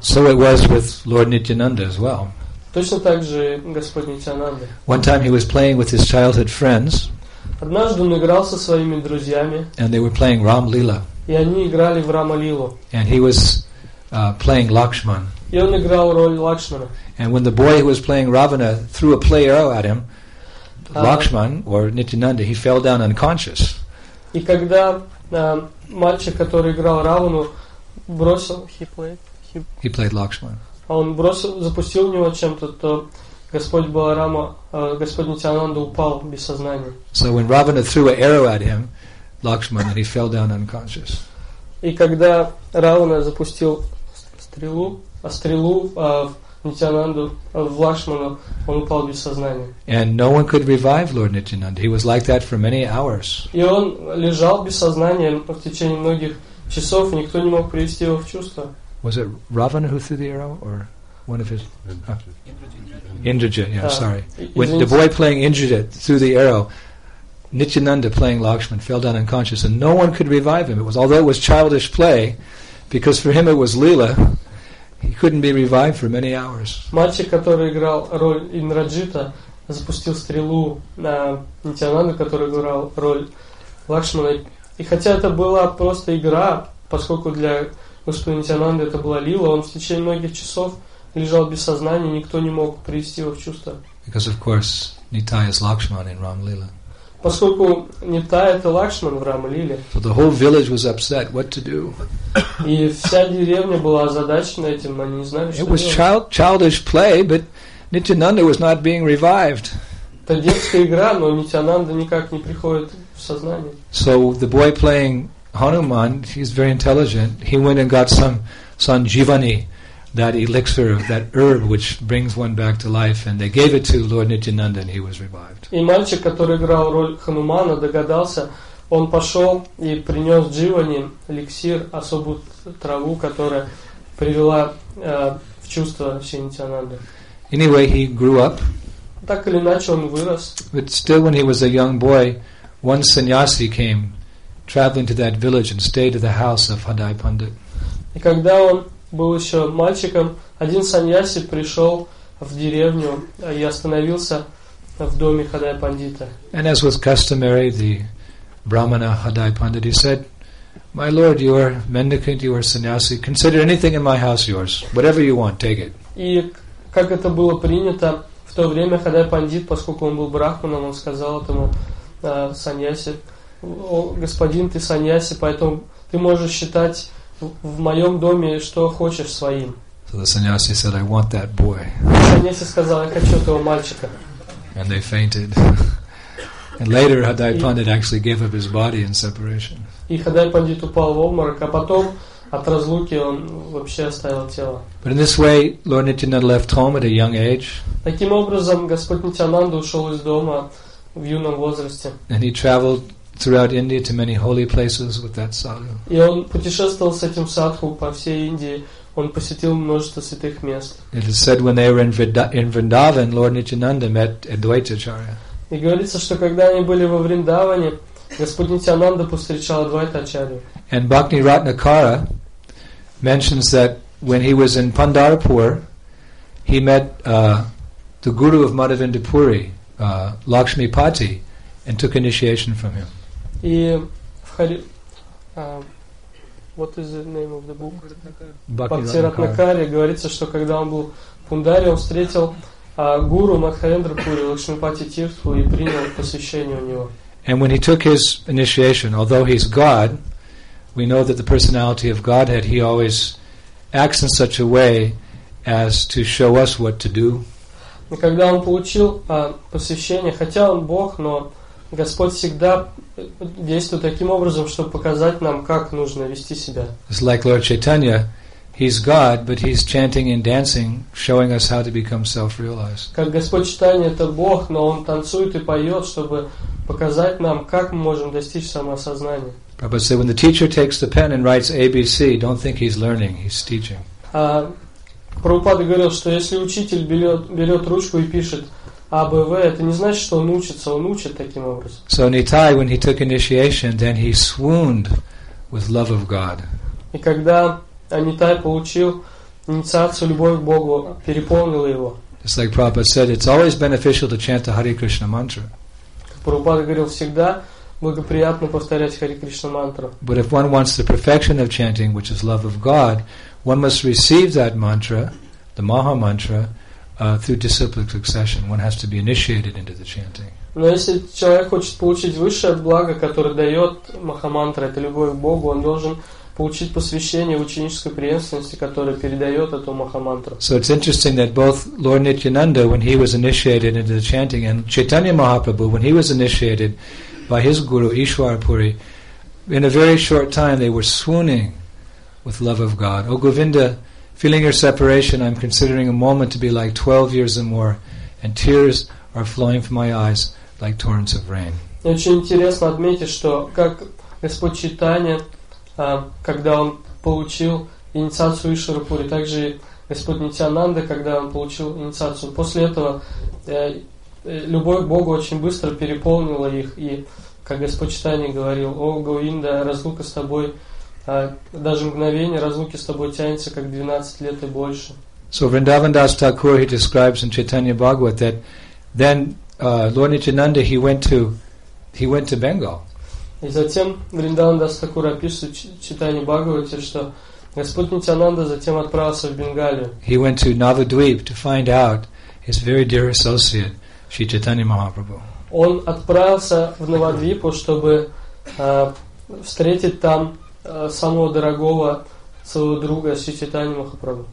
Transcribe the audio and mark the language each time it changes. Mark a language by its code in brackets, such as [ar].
[en] So it was with Lord Nityananda as well. [ru] Точно так же Господь Нитянанда. [en] One time he was playing with his childhood friends. [ru] Однажды он играл со своими друзьями. [en] And they were playing Ram Lila. [ru] И они играли в Рамалилу. [en] And he was playing Lakshman. [ru] И он играл роль Лакшмана. [en] And when the boy who was playing Ravana threw a play arrow at him, Lakshman or Nityananda, he fell down unconscious. [ru] И когда мальчик, который играл Равану, бросил, [en] he played Lakshman. [ru] А он бросил, запустил в него чем-то, то Господь Баларама, Господь Нитянанда упал без сознания. [en] So when Ravana threw an arrow at him, Lakshman, and he fell down unconscious. [ru] И когда Равана запустил стрелу в Нитянанду, в Лакшмана, он упал без сознания. [en] And no one could revive Lord Nityananda. He was like that for many hours. [ru] И он лежал без сознания в течение многих часов, и никто не мог привести его в чувство. [en] Was it Ravana who threw the arrow, or one of his Indrajit? Yeah, sorry. When the boy playing Indrajit threw the arrow, Nityananda playing Lakshman fell down unconscious, and no one could revive him. Although it was childish play, because for him it was Leela, he couldn't be revived for many hours. [ru] Мальчик, который играл роль Индраджита, запустил стрелу на Нитянанду, который играл роль Лакшмана, и хотя это была просто игра, поскольку для Господин Нитянанда, это была Лила, он в течение многих часов лежал без сознания, никто не мог привести его в чувство. [en] Because, of course, Nitai is Lakshman in Ram Lila. [ru] Поскольку Нитай это Лакшман в Рам Лиле. [en] So the whole village was upset, what to do? [ru] И вся деревня была озадачена этим, они не знали, что делать. [en] It was childish play, but Nityananda was not being revived. [ru] Это детская игра, но Нитянанда никак не приходит в сознание. [en] So the boy playing Hanuman, he's very intelligent. He went and got some Sanjivani, that elixir, that herb which brings one back to life, and they gave it to Lord Nityananda and he was revived. [ru] И мальчик, который играл роль Ханумана, догадался, он пошел и принес Дживани, эликсир, особую траву, которая привела в чувство Шри Нитянанды. [en] Anyway, he grew up. [ru] Так или иначе, он вырос. [en] But still, when he was a young boy, one sannyasi came traveling to that village and stayed at the house of Hadai Pandit. [ru] И когда он был еще мальчиком, один саньяси пришел в деревню и остановился в доме Хадай Пандита. [en] And as was customary, the Brahmana Hadai Pandit, he said, "My lord, you are mendicant, you are sannyasi. Consider anything in my house yours. Whatever you want, take it." [ru] И как это было принято в то время, Хадай Пандит, поскольку он был брахманом, он сказал этому саньяси: "О, господин, ты саньяси, поэтому ты можешь считать в моем доме что хочешь своим." [en] So the sannyasi said, "I want that boy." [ru] Саньяси сказал, "Я хочу этого мальчика." [en] And they fainted. And later, Hadai Pandit actually gave up his body in separation. [ru] И Хадай Пандит упал в обморок, а потом от разлуки он вообще оставил тело. [en] But in this way, Lord Nityananda left home at a young age. [ru] Таким образом, Господь Нитянанда ушел из дома в юном возрасте. [en] And he traveled throughout India to many holy places with that sadhu. [ru] И он путешествовал с этим садху по всей Индии. Он посетил множество святых мест. [en] It is said when they were in Vrindavan, Lord Nityananda met Advaita Acharya. [ru] И говорится, что когда они были во Вриндаване, Господь Нитянанда повстречал Адвайта Ачарью. [en] And Bhakti Ratnakara mentions that when he was in Pandharapur, he met the guru of Madhavendra Puri, Lakshmi Pati, and took initiation from him. [ru] И в [en] what is the name of the book? Bhakti Ratnakara. [ru] Говорится, что когда он был в Пундаре, он встретил гуру Мадхавендра Пури, Лакшми Пати Тирту, и принял посвящение у него. [en] And when he took his initiation, although he's God, we know that the personality of Godhead, he always acts in such a way as to show us what to do. [ru] Когда он получил посвящение, хотя он Бог, но Господь всегда действует таким образом, чтобы показать нам, как нужно вести себя. [en] It's like Lord Chaitanya. He's God, but he's chanting and dancing, showing us how to become self-realized. [ru] Как Господь Читание — это Бог, но Он танцует и поет, чтобы показать нам, как мы можем достичь самосознания. [en] Prabhupada said, when the teacher takes the pen and writes ABC, don't think he's learning, he's teaching. [ru] Прабхупада говорил, что если учитель берет ручку и пишет АБВ, это не значит, что он учится, он учит таким образом. [en] So Nitai, when he took initiation, then he swooned with love of God. [ru] И когда Нитай получил инициацию, любовь к Богу переполнила его. [en] It's like Prabhupada said, it's always beneficial to chant the Hare Krishna mantra. [ru] Прабхупада говорил, всегда благоприятно повторять Хари Кришна мантру. [en] But if one wants the perfection of chanting, which is love of God, one must receive that mantra, the Maha mantra, through disciplic succession. One has to be initiated into the chanting. [ru] Но если человек хочет получить высшее благо, которое дает Махамантра, это любовь к Богу, он должен получить посвящение в ученической преемственности, которое передает эту Махамантру. [en] So it's interesting that both Lord Nityananda, when he was initiated into the chanting, and Chaitanya Mahaprabhu, when he was initiated by his guru Ishwarapuri, in a very short time they were swooning with love of God. O Govinda, feeling your separation, I'm considering a moment to be like 12 years or more, and tears are flowing from my eyes like torrents of rain. [ru] Очень интересно отметить, что как Господь Читания, когда он получил инициацию Ишварапури, также Господь Нитянанда, когда он получил инициацию, после этого любовь к Богу очень быстро переполнила их, и как Господь Читания говорил, о Говинда, разлука с тобой, даже мгновение разлуки с тобой тянется как 12 лет и больше. [en] So Vrindavan Das Thakur, he describes in Chaitanya Bhagavat that then Lord Nityananda, he went to Bengal. [ru] И затем Вриндаван Дас Такур описывает читание Бхагавате, что Господь Нитянанда затем отправился в Бенгалию. [en] He went to Navadvip to find out his very dear associate, Shri Chaitanya Mahaprabhu. [ru] Он отправился в Навадвипу, чтобы встретить там самого дорогого своего друга Шри Чайтанья Махапрабху.